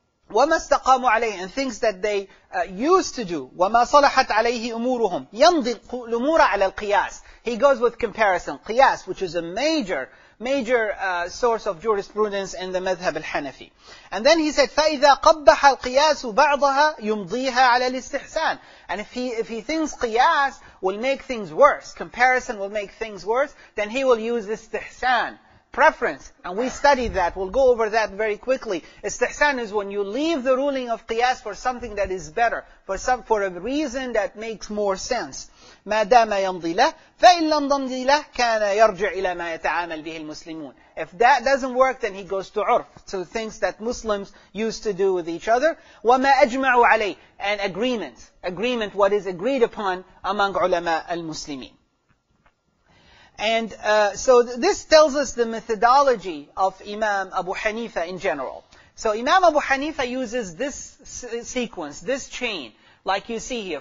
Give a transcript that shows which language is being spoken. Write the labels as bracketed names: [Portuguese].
[Arabic] وَمَا اسْتَقَامُوا عَلَيْهِ [English] And things that they used to do. [Arabic] وَمَا صَلَحَتْ عَلَيْهِ أُمُورُهُمْ يَمْضِي الْأُمُورَ عَلَى الْقِيَاسِ [English] He goes with comparison. Qiyas, which is a major source of jurisprudence in the madhhab al-Hanafi. And then he said, [Arabic] فَإِذَا قَبَّحَ الْقِيَاسُ بَعْضَهَا يُمْضِيهَا عَلَى الْإِسْتِحْسَانِ [English] And if he thinks qiyas will make things worse, comparison will make things worse, then he will use istihsan, preference. And we studied that. We'll go over that very quickly. Istihsan is when you leave the ruling of qiyas for something that is better, for a reason that makes more sense. [Arabic] مَا دَامَ يَمْضِي لَهُ فَإِنْ لَمْ ضَمْضِي لَهُ كَانَ يَرْجِعْ إِلَى مَا يَتَعَامَلْ بِهِ الْمُسْلِمُونَ [English] If that doesn't work, then he goes to عُرْف, to things that Muslims used to do with each other. [Arabic] وَمَا أَجْمَعُ عَلَيْهِ [English] And agreement. Agreement, what is agreed upon among ulama al-Muslimin. And so this tells us the methodology of Imam Abu Hanifa in general. So Imam Abu Hanifa uses this sequence, this chain, like you see here.